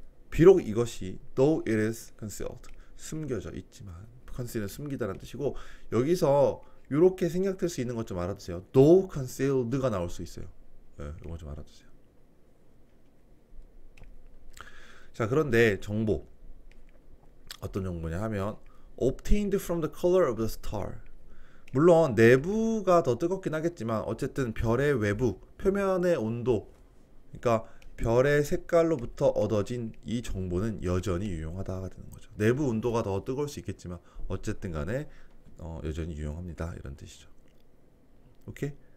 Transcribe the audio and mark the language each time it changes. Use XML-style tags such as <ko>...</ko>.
<ko>비록 이것이,</ko> <en>though it is concealed.</en> <ko>숨겨져 있지만, conceal은 숨기다라는 뜻이고, 여기서, 이렇게 생각될 수 있는 것좀 알아두세요.</ko> <en>though concealed</en> <ko>가 나올 수 있어요. 네, 이거 좀 알아두세요. 자, 그런데 정보. 어떤 정보냐 하면</ko> <en>obtained from the color of the star.</en> <ko>물론 내부가 더 뜨겁긴 하겠지만 어쨌든 별의 외부, 표면의 온도. 그러니까 별의 색깔로부터 얻어진 이 정보는 여전히 유용하다가 되는 거죠. 내부 온도가 더 뜨거울 수 있겠지만 어쨌든 간에 여전히 유용합니다. 이런 뜻이죠. 오케이?</ko>